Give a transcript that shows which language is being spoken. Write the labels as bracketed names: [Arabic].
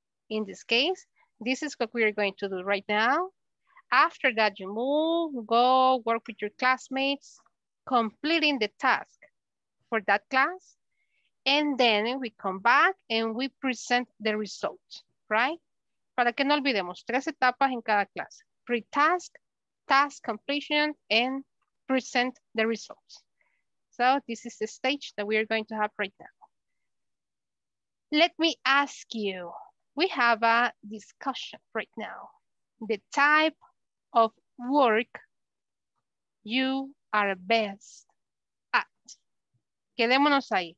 [English] In this case, this is what we are going to do right now. After that, you move, go work with your classmates, completing the task for that class. And then we come back and we present the result, right? [Spanish] Para que no olvidemos, tres etapas en cada clase. [English] Pre-task, task completion, and present the results. So this is the stage that we are going to have right now. Let me ask you, we have a discussion right now. The type of work you are best at. [Spanish] Quedémonos ahí.